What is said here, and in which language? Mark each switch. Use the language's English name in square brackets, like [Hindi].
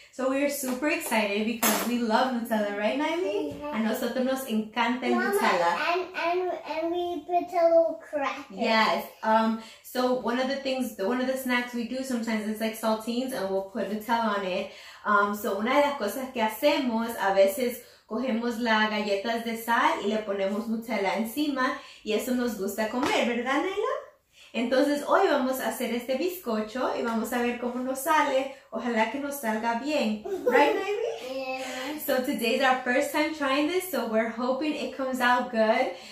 [English] So we're super excited because we love Nutella, right, Naomi? [Spanish] A nosotros nos encanta Mama, Nutella. [English] And we put a little cracker. Yes. So one of the snacks we do sometimes is like saltines and we'll put Nutella on it. [Spanish] So una de las cosas que hacemos, a veces cogemos las galletas de sal y le ponemos Nutella encima y eso nos gusta comer, ¿verdad, Naila? Entonces hoy vamos a hacer este bizcocho y vamos a ver cómo nos sale. Ojalá que nos salga bien. [English] Right, Naomi? Yeah. So today's our first time trying this, so we're hoping it comes out good.